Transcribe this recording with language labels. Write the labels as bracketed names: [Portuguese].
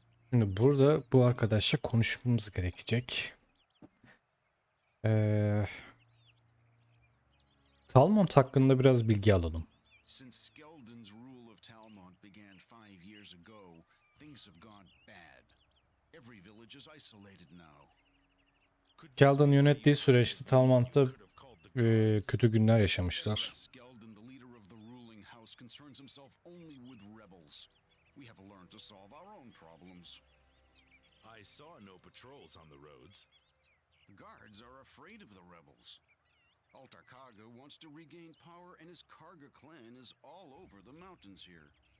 [Turkish] Şimdi burada bu arkadaşla konuşmamız gerekecek. Talmont hakkında biraz bilgi alalım. [English] Since Skeldon's rule of Talmont began 5 years ago, things have gone bad. Every village is isolated now. [Turkish] Skeldon yönettiği süreçte Talmont'ta kötü günler yaşamışlar. [English] Skeldon, the leader of the ruling house, concerns himself only with rebels. We have learned to solve our own problems. I saw no patrols on the roads. The guards are afraid of the rebels. Altarkaga wants to regain power and his Karga clan is all over the mountains here.